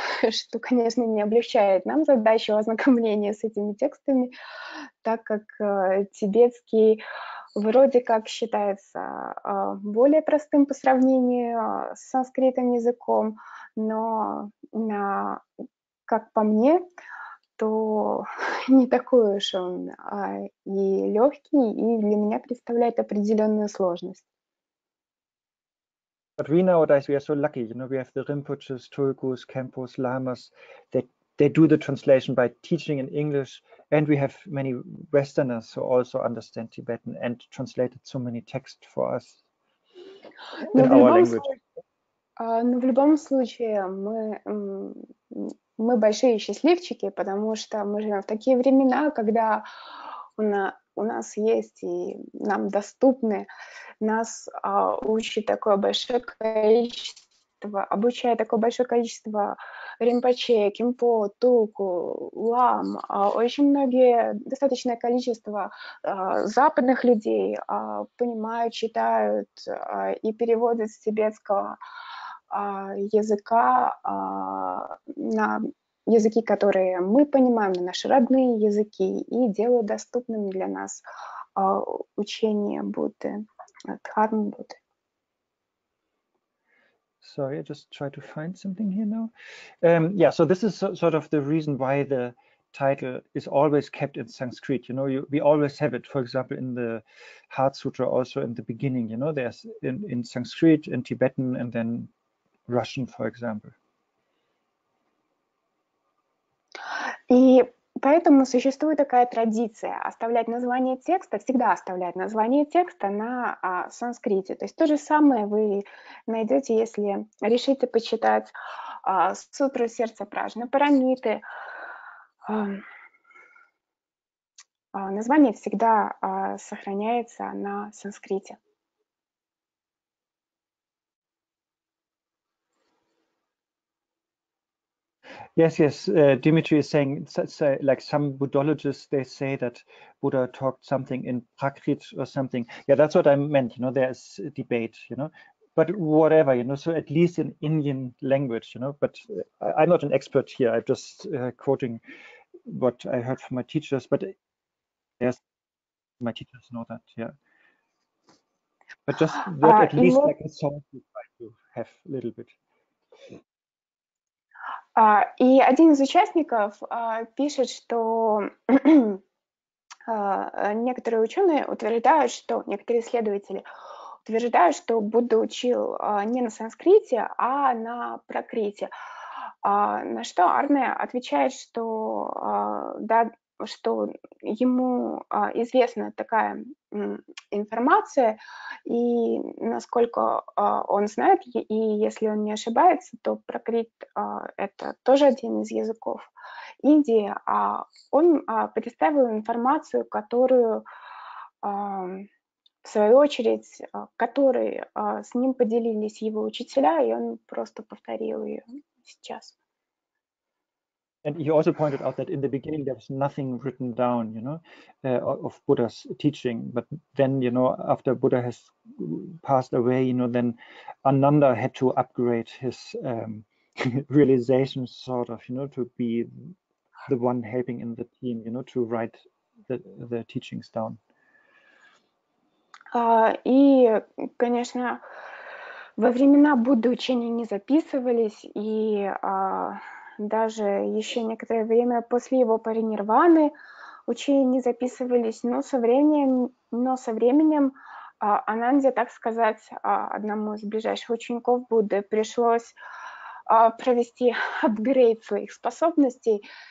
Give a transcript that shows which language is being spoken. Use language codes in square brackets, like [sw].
[ru] что, конечно, не облегчает нам задачу ознакомления с этими текстами, так как тибетский вроде как считается более простым по сравнению с санскритом языком, но, как по мне, то не такой уж он и легкий, и для меня представляет определенную сложность. [en] But we nowadays we are so lucky, you know, we have the Rinpoches, Tulkus, Kempos, Lamas, that they do the translation by teaching in English, and we have many Westerners who also understand Tibetan and translated so many texts for us in our language. [ru] Но в любом случае мы большие счастливчики, потому что мы живем в такие времена, когда у нас есть и нам доступны, нас учит такое большое количество, обучает такое большое количество ринпоче, кимпо, туку, лам, очень многие, достаточное количество западных людей понимают, читают и переводят с тибетского языка на языки, которые мы понимаем, на наши родные языки, и делают доступным для нас учение Будды, дхарму Будды. [en] Sorry, I just try to find something here now. Yeah, so this is sort of the reason why the title is always kept in Sanskrit. You know, we always have it, for example, in the Heart Sutra, also in the beginning, you know, there's in Sanskrit, in Tibetan, and then Russian, for example. [ru] И поэтому существует такая традиция оставлять название текста, всегда оставлять название текста на санскрите. То есть то же самое вы найдете, если решите почитать Сутру Сердца Пражны Парамиты. Название всегда сохраняется на санскрите. [en] Yes, yes. Dimitri is saying, like some Buddhologists, they say that Buddha talked something in Prakrit or something. Yeah, that's what I meant. You know, there is a debate. You know, but whatever. You know, so at least in Indian language. You know, but I'm not an expert here. I'm just quoting what I heard from my teachers. But yes, my teachers know that. Yeah. But just that at least like a song you try to have a little bit. [ru] И один из участников пишет, что некоторые ученые утверждают, что некоторые исследователи утверждаю, что Будда учил не на санскрите, а на пракрите. На что Арне отвечает, что, да, что ему известна такая информация, и насколько он знает, и если он не ошибается, то пракрит – это тоже один из языков Индии, а он представил информацию, которую, в свою очередь, которой с ним поделились его учителя, и он просто повторил ее сейчас. [en] And he also pointed out that in the beginning there was nothing written down, you know, of Buddha's teaching. But then, you know, after Buddha has passed away, you know, then Ananda had to upgrade his realization, sort of, you know, to be the one helping in the team, you know, to write the teachings down. [ru] И, конечно, во времена Будды учения не записывались, и даже еще некоторое время после его паринирваны учения не записывались, но со временем Ананде, так сказать, одному из ближайших учеников Будды пришлось провести апгрейд своих способностей,